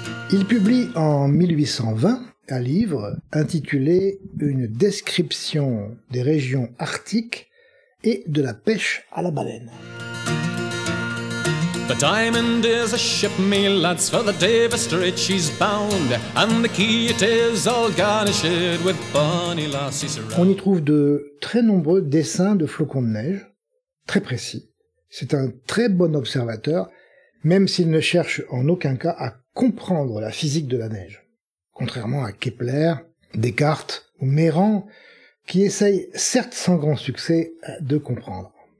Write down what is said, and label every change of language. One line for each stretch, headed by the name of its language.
French: Il publie en 1820 un livre intitulé « Une description des régions arctiques et de la pêche à la baleine ».
English: The diamond is a ship, me lads, for the Davis Strait she's bound, and the key it is all garnished with bonny lassies around.
French: On y trouve de très nombreux dessins de flocons de neige, très précis. C'est un très bon observateur, même s'il ne cherche en aucun cas à comprendre la physique de la neige, contrairement à Kepler, Descartes ou Méran, qui essayent, certes sans grand succès, de comprendre.